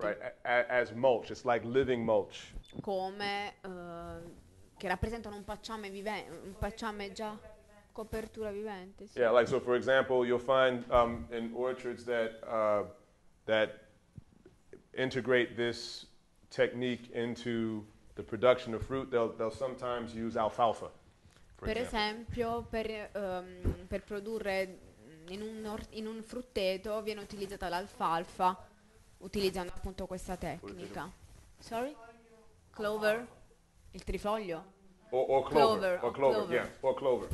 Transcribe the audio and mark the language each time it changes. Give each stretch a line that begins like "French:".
English: Right, as mulch, it's like living mulch.
Italian: Come che rappresentano un pacciame vivente, un pacciame già copertura vivente. Sì.
English: Yeah, like so. For example, you'll find in orchards that integrate this technique into the production of fruit, they'll sometimes use alfalfa. For
Italian: per esempio, per produrre in un frutteto viene utilizzata l'alfalfa, utilizzando appunto questa tecnica.
English: Sorry? Clover?
Italian: Il trifoglio?
English: Or clover. Clover. Or clover. Clover, yeah. Or clover.